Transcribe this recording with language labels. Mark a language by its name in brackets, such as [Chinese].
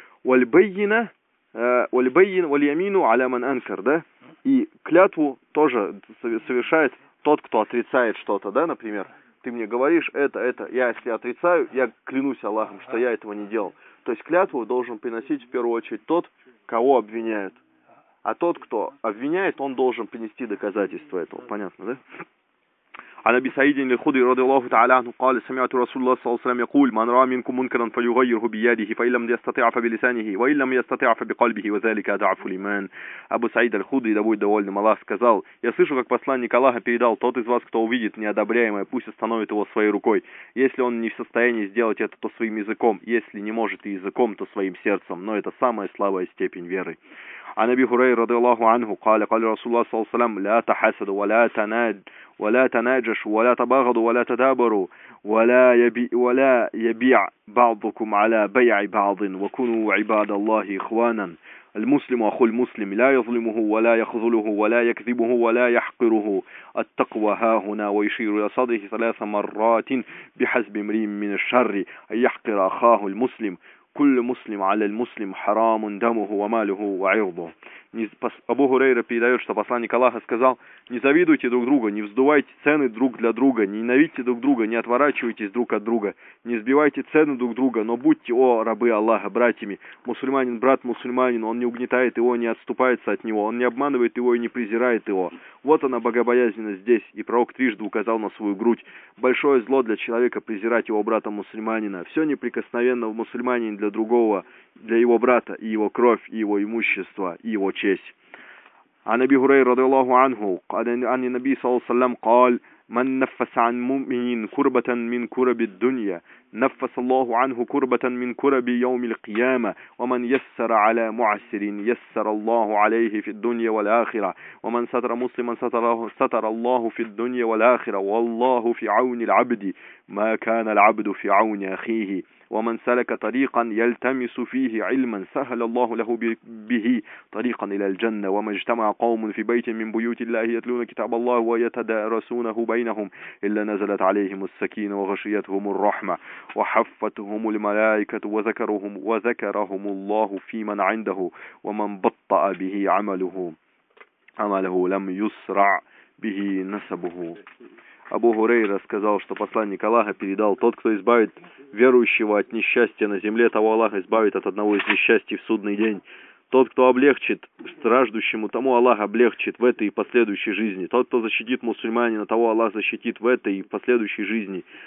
[Arabic] Уальбейна, уальямину аляман анкар, [Russian] да, и клятву тоже совершает тот, кто отрицает что-то, да, например. Ты мне говоришь это, я если отрицаю, я клянусь Аллахом, что я этого не делал. То есть клятву должен приносить в первую очередь тот, кого обвиняют. А тот, кто обвиняет, он должен принести доказательства этого. Понятно, да? [Arabic] عن أبي سعيد الخدري رضي الله تعالى عنه قال: سمعت رسول الله صلى الله عليه وسلم يقول: من رأى منكم منكرا فليغيره بيده، فإن لم يستطع فبلسانه، وإن لم يستطع فبقلبه، وذلك أضعف الإيمان. [Russian] أبو سعيد الخدري довольно довольным Аллах сказал: я слышу, как посланник Аллаха передал: тот из вас, кто увидит неодобряемое, пусть остановит его своей рукой, если он не в состоянии сделать это, то своим языком, если не может и языком, то своим сердцем, но это самая слабая степень веры. [Arabic] عن أبي هريرة رضي الله عنه قال: قال رسول الله صلى الله عليه وسلم: لا تحسد ولا تناد ولا تناجش ولا تباغض ولا تدابر ولا يبيع بعضكم على بيع بعض وكونوا عباد الله إخوانا. المسلم أخو المسلم لا يظلمه ولا يخذله ولا يكذبه ولا يحقره. التقوى هاهنا ويشير إلى صدره 3 مرات بحسب امرئ من الشر أن يحقر أخاه المسلم. كل مسلم على المسلم حرام دمه وماله وعرضه. [Russian] Абу Гурейра передает, что посланник Аллаха сказал: «Не завидуйте друг другу, не вздувайте цены друг для друга, не ненавидьте друг друга, не отворачивайтесь друг от друга, не сбивайте цены друг друга, но будьте, о рабы Аллаха, братьями. Мусульманин брат мусульманин, он не угнетает его, не отступается от него, он не обманывает его и не презирает его». Вот она, богобоязненность здесь, и пророк трижды указал на свою грудь. Большое зло для человека презирать его брата-мусульманина. Все неприкосновенно в мусульманине для другого, для его брата, и его кровь, и его имущество, и его честь. [Arabic] عن أبي هريرة رضي الله عنه قال عن النبي صلى الله عليه وسلم قال من نفس عن مؤمن كربة من كرب الدنيا نفس الله عنه كربة من كرب يوم القيامة ومن يسر على معسر يسر الله عليه في الدنيا والآخرة ومن ستر مسلما ستر الله في الدنيا والآخرة والله في عون العبد ما كان العبد في عون أخيه ومن سلك طريقا يلتمس فيه علما سهل الله له به طريقا إلى الجنة وما اجتمع قوم في بيت من بيوت الله يتلون كتاب الله ويتدارسونه بينهم إلا نزلت عليهم السكينة وغشيتهم الرحمة وحفتهم الملائكة وذكرهم الله في من عنده ومن بطأ به عمله لم يسرع به نسبه. [Russian] Абу Хурейра сказал, что посланник Аллаха передал: «Тот, кто избавит верующего от несчастья на земле, того Аллах избавит от одного из несчастий в судный день. Тот, кто облегчит страждущему, тому Аллах облегчит в этой и последующей жизни. Тот, кто защитит мусульманина, того Аллах защитит в этой и последующей жизни.